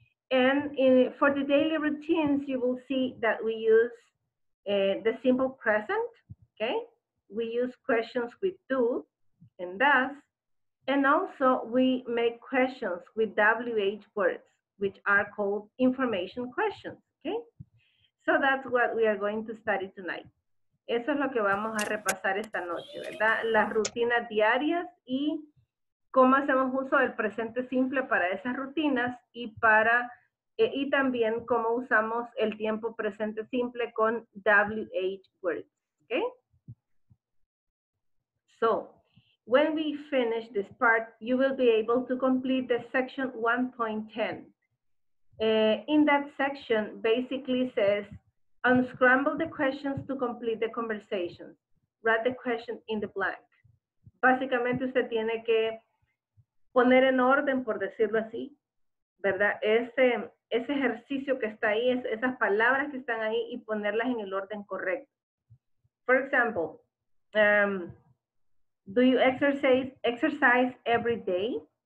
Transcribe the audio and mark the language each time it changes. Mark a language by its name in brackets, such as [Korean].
[English] And for the daily routines, you will see that we use the simple present, okay? We use questions with do and does, and also we make questions with WH words, which are called information questions, okay? So that's what we are going to study tonight. [Spanish] Eso es lo que vamos a repasar esta noche, ¿verdad? Las rutinas diarias y cómo hacemos uso del presente simple para esas rutinas y para, y también cómo usamos el tiempo presente simple con WH words, okay? [English] So, when we finish this part, you will be able to complete the section 1.10. In that section, basically says, unscramble the questions to complete the conversation. Write the question in the blank. [Spanish] Básicamente, usted tiene que poner en orden, por decirlo así, ¿verdad? Ese ejercicio que está ahí, esas palabras que están ahí, y ponerlas en el orden correcto. [English] For example, do you exercise every day?